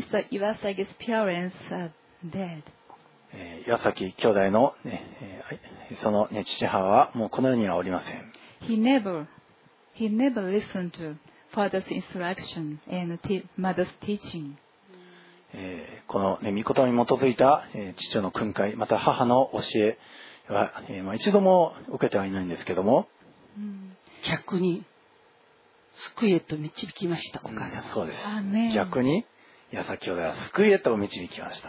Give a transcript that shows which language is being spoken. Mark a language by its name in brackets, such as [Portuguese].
[English] Iwasaki's parents are dead. [Japanese] 岩崎兄弟の、その、ね、父母はもうこの世にはおりません。 [English] He never listened to father's instruction and mother's teaching. [Japanese] この、ね、御言葉に基づいた、父の訓戒また母の教え。は一度も受けてはいないんですけども、逆に救いへと導きました。お母さん、そうです。逆に矢崎兄弟は救いへと導きました。